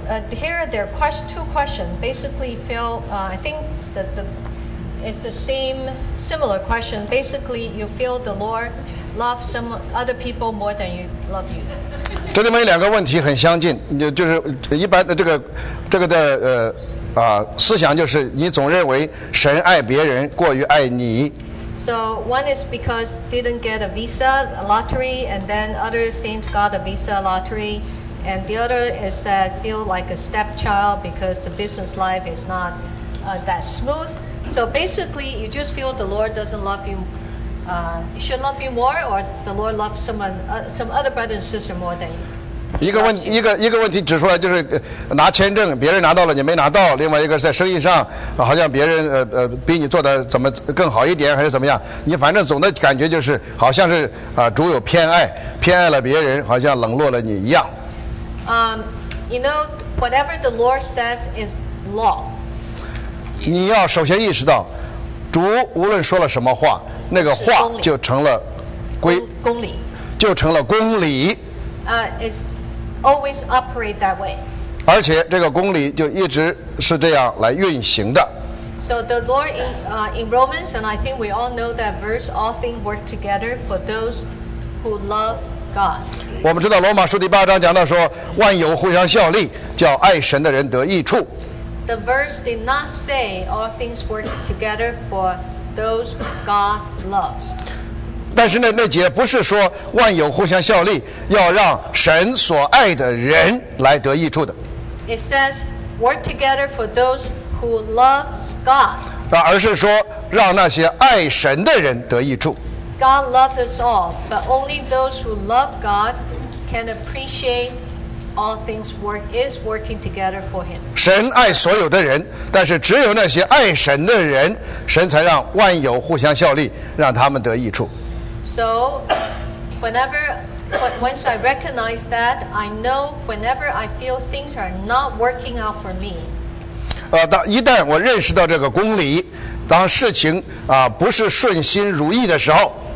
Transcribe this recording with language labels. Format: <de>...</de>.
<en>Here there are two questions. Basically, Phil, I think that it's the same, similar question. Basically, you feel the Lord loves some other people more than you love you.</en> <zh>这里面有两个问题很相近，就是一般的这个的思想就是你总认为神爱别人过于爱你。</zh> <en>So one is because didn't get a visa lottery, and then other saints got a visa lottery. And the other is that feel like a stepchild because the business life is not that smooth. So basically, you just feel the Lord doesn't love you. You should love you more, or the Lord loves some other brother and sister more than you.</en> <zh>一个问题指出来就是拿签证，别人拿到了你没拿到；另外一个是在生意上，好像别人比你做的怎么更好一点，还是怎么样？你反正总的感觉就是好像是主有偏爱，偏爱了别人，好像冷落了你一样。</zh> <en>You know, whatever the Lord says is law.</en> <zh>你要首先意识到，主无论说了什么话，那个话就成了公理，就成了公理。</zh> <en>It's always operate that way.</en> <zh>而且这个公理就一直是这样来运行的。</zh> <en>So the Lord in Romans, and I think we all know that verse, all things work together for those who love. God.</en> <zh>我们知道罗马书第八章讲到说万有互相效力叫爱神的人得益处</zh> <en>The verse did not say all things work together for those God loves</en> <zh>但是那节不是说万有互相效力要让神所爱的人来得益处的</zh> <en>It says work together for those who loves God</en> <zh>而是说让那些爱神的人得益处</zh> <en>God loves us all, but only those who love God can appreciate all things work is working together for him.</en> <zh>神爱所有的人，但是只有那些爱神的人，神才让万有互相效力，让他们得益处。</zh> <en>So, whenever, once I recognize that, I know whenever I feel things are not working out for me.</en> <zh>一旦我认识到这个公理，当事情不是顺心如意的时候。</zh>